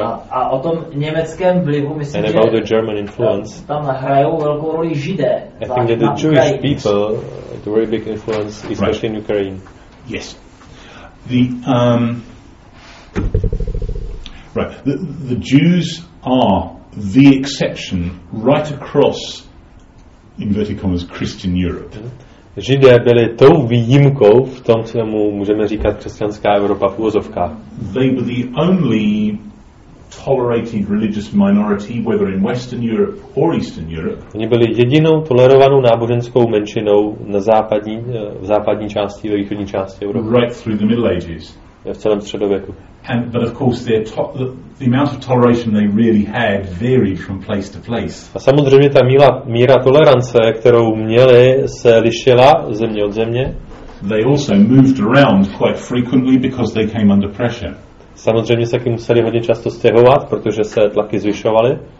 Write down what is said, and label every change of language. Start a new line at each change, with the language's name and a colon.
Czech: A o tom německém vlivu, myslím, že tam hrajou velkou roli Židé.
English: I think that the Jewish people had a very big influence, especially right. In Ukraine. Yes. The Jews are the exception right across, inverted commas, Christian Europe.
Czech: Židé byli tou výjimkou v tom, co mu můžeme říkat křesťanská Evropa v uvozovkách.
English: They were the only tolerated religious minority, whether in Western Europe or Eastern Europe.
Czech: Oni byli jedinou tolerovanou náboženskou menšinou na západní, v západní části, ve východní části Evropy.
English: Right through the Middle Ages.
Czech: V celém středověku.
English: And but of course their the amount of toleration they really had varied from place to place.
Czech: A samozřejmě ta míra tolerance, kterou měli, se lišila země od země.
English: They also moved around quite frequently because they came under pressure.
Czech: Samozřejmě se taky museli hodně často stěhovat, protože se tlaky zvyšovaly.